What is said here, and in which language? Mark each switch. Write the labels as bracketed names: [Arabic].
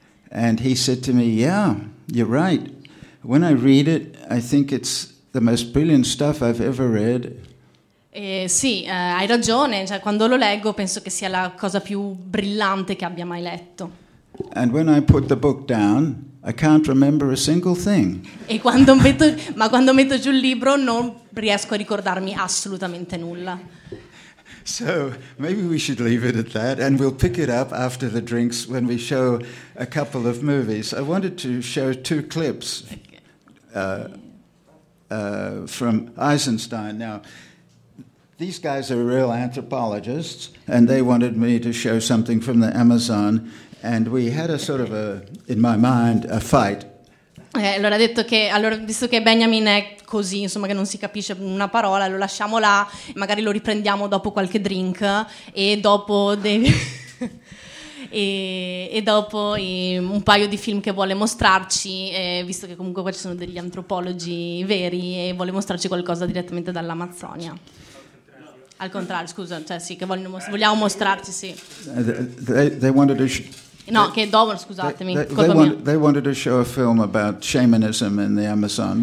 [English] And he said to me, "Yeah, you're right. When I read it, I think it's the most brilliant stuff I've ever read." [Italian] Sì, hai ragione. Cioè, quando lo leggo, penso che sia la cosa più brillante che abbia mai letto. [English] And when I put the book down, I can't remember a single thing. [Italian] E quando metto, ma quando metto giù il libro non riesco a ricordarmi assolutamente nulla. [English] So maybe we should leave it at that, and we'll pick it up after the drinks when we show a couple of movies. I wanted to show 2 clips from Eisenstein. Now, these guys are real anthropologists, and they wanted me to show something from the Amazon. And we had a sort of a, in my mind, a fight. [Italian] Allora ha detto che, allora visto che Benjamin è così, insomma che non si capisce una parola, lo lasciamo là, magari lo riprendiamo dopo qualche drink e dopo un paio di film che vuole mostrarci, visto che comunque qua ci sono degli antropologi veri e vuole mostrarci qualcosa direttamente dall'Amazzonia. Al contrario, scusa, cioè sì, che vogliono vogliamo mostrarci, sì. [English] They wanted to [Italian] No, che dopo, scusatemi. [English] They wanted to show a film about shamanism in the Amazon.